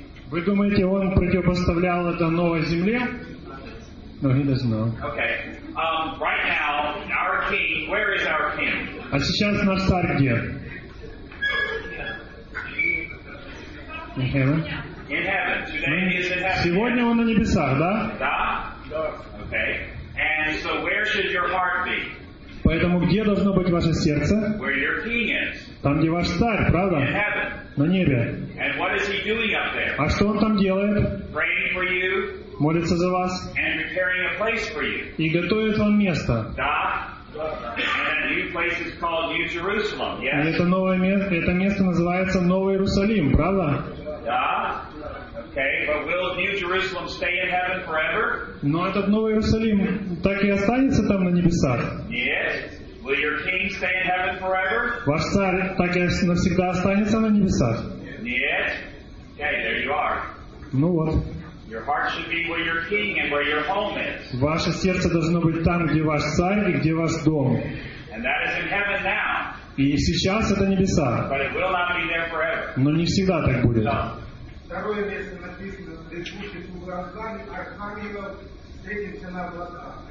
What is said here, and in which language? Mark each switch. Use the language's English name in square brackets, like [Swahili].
[Russian] Вы думаете, он противопоставлял это новой земле? [English] No, he doesn't know. Okay. Right now, our king, where is our king? [Russian] А сейчас наш царь где? [English] In heaven. In heaven. Today he is in heaven. [Russian] Сегодня он на небесах, да? [English] Да. Okay. And so where should your heart be? [Russian] Поэтому где должно быть ваше сердце? [English] Where your king is. [Russian] Там, где ваш царь, правда? [English] In heaven. [Russian] На небе. [English] And what is he doing up there? [Russian] А что он там делает? [English] Praying for you. [Russian] Молится за вас. [English] And preparing a place for you. [Russian] И готовит вам место. Да. [English] And a new place is called New Jerusalem. Yes. [Russian] И это новое место, это место называется Новый Иерусалим, правда? [English] Да. Okay. But will New Jerusalem stay in heaven forever? [Russian] Но этот Новый Иерусалим так и останется там на небесах? [English] Yes. Will your king stay in heaven forever? [Russian] Ваш царь так и навсегда останется на небесах? [English] Yes. Okay. There you are. [Russian] Ну вот. [English] Your heart should be where your king and where your home is. [Russian] Ваше сердце должно быть там, где ваш царь и где ваш дом. [English] And that is in heaven now. [Russian] И сейчас это небеса. [English] But it will not be there forever. [Russian] Но не всегда так будет. Второе место написано: «Летучий слуга архангела встретился на облаках».